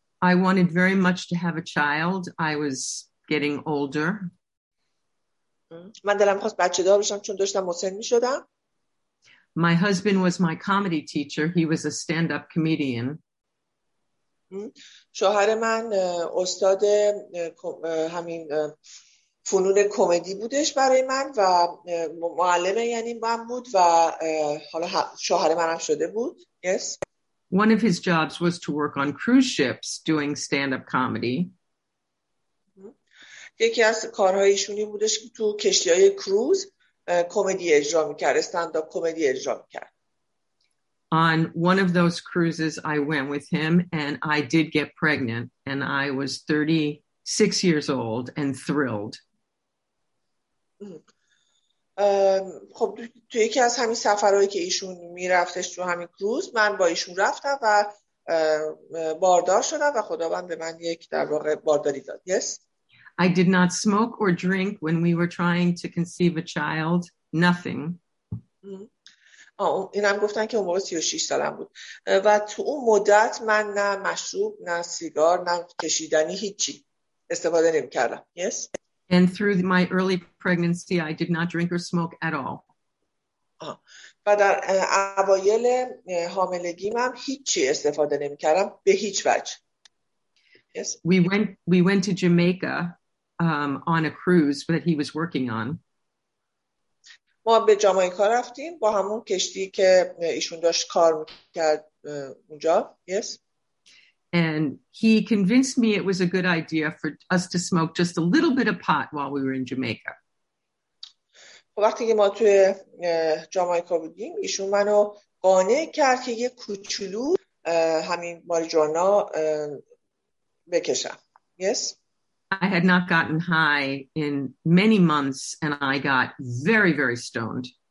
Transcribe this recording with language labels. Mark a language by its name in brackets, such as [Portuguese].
[English] I wanted very much to have a child. I was getting older. [Persian] من دلم خواست بچه دار بشم چون داشتم مسن می‌شدم. [English] My husband was my comedy teacher. He was a stand-up comedian. [Persian] شوهر من استاد همین فنون کمدی بودش برای من و معلم یعنی من بود و حالا شوهر منم شده بود. [English] Yes. One of his jobs was to work on cruise ships doing stand-up comedy. [Persian] یکی از کارهای ایشونی بودش که تو کشتی‌های کروز کمدی اجرا می‌کرد، استندآپ کمدی اجرا می‌کرد. [English] On one of those cruises I went with him and I did get pregnant and I was 36 years old and thrilled. [Persian] خب تو یکی از همین سفرهایی که ایشون می‌رفتش تو همین کروز من با ایشون رفتم و باردار شدم و خداوند به من یک در واقع بارداری داد. [English] Yes. I did not smoke or drink when we were trying to conceive a child. Nothing. [Persian] اینم گفتن که اون موقع 36 سالم بود و تو اون مدت من نه مشروب، نه سیگار، نه کشیدنی، هیچی استفاده نمی کردم. [English] Yes. And through my early pregnancy I did not drink or smoke at all. [Persian] و در اوایل حاملگیم هم هیچی استفاده نمی کردم به هیچ وجه. [English] Yes. We went to Jamaica on a cruise that he was working on. [Persian] ما به جامائیکا رفتیم با همون کشتی که ایشون داشت کار میکرد اونجا. [English] Yes. And he convinced me it was a good idea for us to smoke just a little bit of pot while we were in Jamaica. [Persian] وقتی که ما توی جامائیکا بودیم ایشون منو قانع کرد که یه کوچولو همین ماریجوانا بکشم. [English] Yes. I had not gotten high in many months and I got very very stoned.